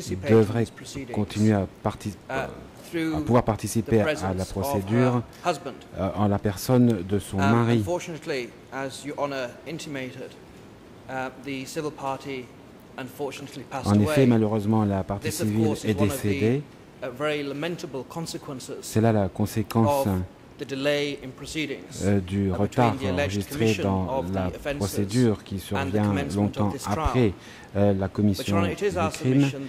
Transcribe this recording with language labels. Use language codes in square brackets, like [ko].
[fr] devrait continuer à pouvoir participer à la procédure en la personne de son mari. [en] Unfortunately, as Your Honor intimated, the civil party unfortunately passed away. [fr] En effet, malheureusement, la partie civile est décédée. [en] Very lamentable consequences. [fr] C'est là la conséquence [en] The delay in proceedings [fr] du retard enregistré dans la procédure qui survient longtemps après la commission du crime.